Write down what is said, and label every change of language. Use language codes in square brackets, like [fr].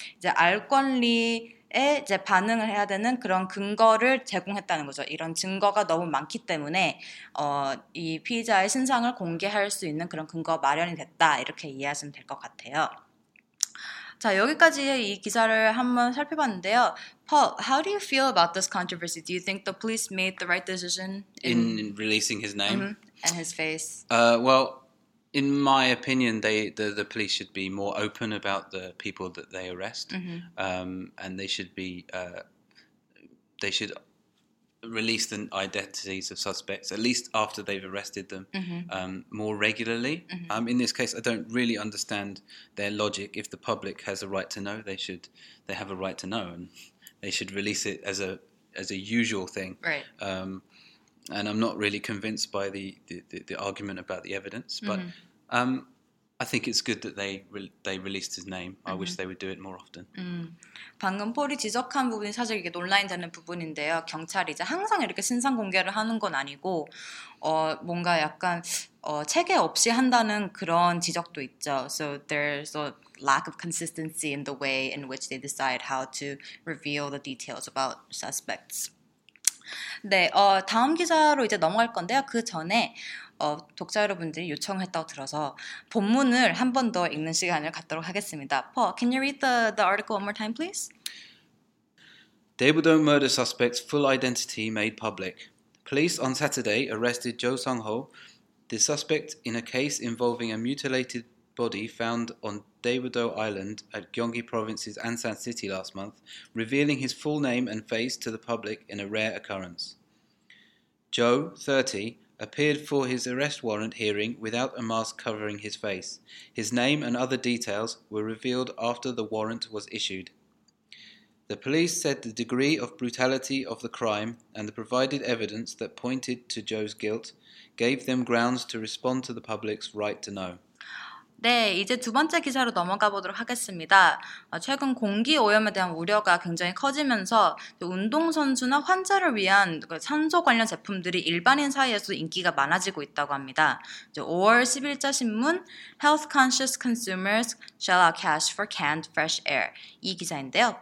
[ko] 이제 알 권리에 이제 반응을 해야 되는 그런 근거를 제공했다는 거죠. 이런 증거가 너무 많기 때문에 이 피의자의 신상을 공개할 수 있는 그런 근거가 마련이 됐다. 이렇게 이해하시면 될 것 같아요. 자, 여기까지 이 기사를 한번 살펴봤는데요. [en] Paul, how do you feel about this controversy? Do you think the police made the right decision in releasing his name and his face? Well, in my opinion, the police should be more open about the people that they arrest. Mm-hmm. And they should be they should release the identities of suspects at least after they've arrested them more regularly. Mm-hmm. In this case, I don't really understand their logic. If the public has a right to know, they have a right to know, and they should release it as a usual thing. Right. And I'm not really convinced by the argument about the evidence, but I think it's good that they released his name. I wish they would do it more often. [ko] 방금 폴이 지적한 부분이 사실 이게 논란이 되는 부분인데요. 경찰이 이제 항상 이렇게 신상 공개를 하는 건 아니고 뭔가 약간 체계 없이 한다는 그런 지적도 있죠. [en] So there's a lack of consistency in the way in which they decide how to reveal the details about suspects. [ko] 네, 다음 기사로 이제 넘어갈 건데요. 그 전에 독자 여러분들이 요청했다고 들어서 본문을 한 번 더 읽는 시간을 갖도록 하겠습니다. [en] Paul, can you read the article one more time, please? Daebudo murder suspect's full identity made public. Police on Saturday arrested Jo Sung-ho, the suspect in a case involving a mutilated body found on Daebudo Island at Gyeonggi Province's Ansan City last month, revealing his full name and face to the public in a rare occurrence. Jo, 30, appeared for his arrest warrant hearing without a mask covering his face. His name and other details were revealed after the warrant was issued. The police said the degree of brutality of the crime and the provided evidence that pointed to Joe's guilt gave them grounds to respond to the public's right to know. [ko] 네, 이제 두 번째 기사로 넘어가 보도록 하겠습니다. 최근 공기 오염에 대한 우려가 굉장히 커지면서 운동선수나 환자를 위한 산소 관련 제품들이 일반인 사이에서 인기가 많아지고 있다고 합니다. 이제 5월 10일자 신문 [en] Health Conscious Consumers Shell Out Cash for Canned Fresh Air [ko] 이 기사인데요.